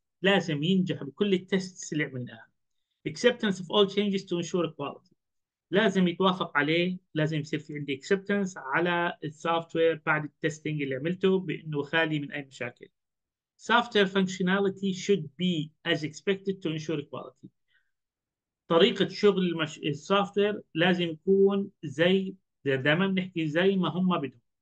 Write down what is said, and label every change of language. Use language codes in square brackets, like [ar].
[ar] لازم ينجح بكل التستس اللي عملناها. [en] acceptance of all changes to ensure quality. [ar] لازم يتوافق عليه، لازم يصير في عندي acceptance على السوفتوير بعد التستنج اللي عملته بأنه خالي من أي مشاكل. [en] software functionality should be as expected to ensure quality. [ar] طريقة شغل السوفتوير لازم يكون زي دائما بنحكي زي ما هم بدهم.